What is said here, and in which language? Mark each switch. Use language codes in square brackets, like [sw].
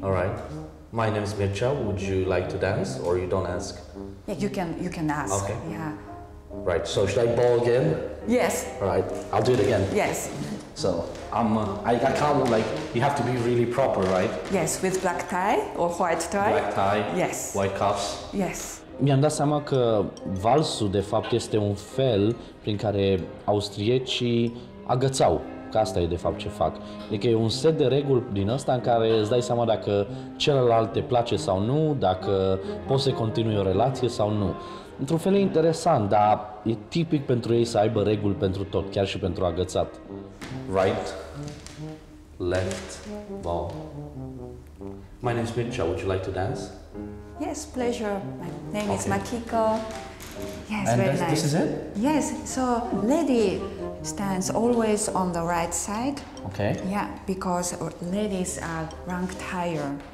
[en] All right. My name is Mircea. Would you like to dance, or you don't ask? Yeah, you can ask. Okay. Yeah. Right, so should I bow again? Yes. All right, I'll do it again. Yes. So, I can't, like, you have to be really proper, right? Yes, with black tie or white tie. Black tie. Yes. White cuffs. Yes. [ro] Mi-am dat seama că valsul, de fapt, este un fel prin care austriecii agățau. Că asta e, de fapt, ce fac. Adică e un set de reguli din ăsta în care îți dai seama dacă celălalt te place sau nu, dacă poți să continui o relație sau nu. Într-un fel e interesant, dar e tipic pentru ei să aibă reguli pentru tot, chiar și pentru agățat. [en] Right, left, bow. My name is Mircea, would you like to dance? Yes, pleasure. My name is Makiko. Yes, and very nice. And this is it? Yes, so lady stands always on the right side. Okay. Yeah, because ladies are ranked higher.